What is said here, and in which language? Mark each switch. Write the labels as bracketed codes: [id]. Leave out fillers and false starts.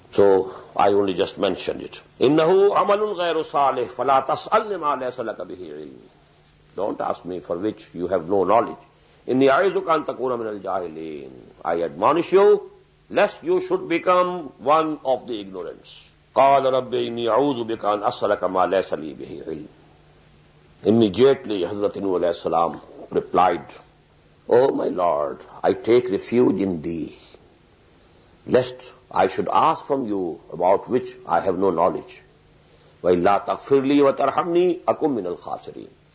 [en] So, I only just mentioned it. [ar] إِنَّهُ عَمَلٌ غَيْرُ صَالِحٌ فَلَا تَسْأَلْنِ مَا لَيْسَ لَكَ بِهِ عِلْمٌ. [en] Don't ask me for which you have no knowledge. [ar] إِنِّي أَعِذُكَ أَنْ تَكُونَ مِنَ الْجَاهِلِينَ. [en] I admonish you lest you should become one of the ignorants. [ar] قال ربي إني أعوذ بك أن أسألك ما ليس لي به علم. [en] Immediately Hazrat Nuh alayhi salam replied, O my Lord, I take refuge in thee, lest I should ask from you about which I have no knowledge. [ar] وَإِلَّا تَغْفِرْ لِي وَتَرْحَمْنِي أَكُمْ مِنَ الْخَاسِرِينَ.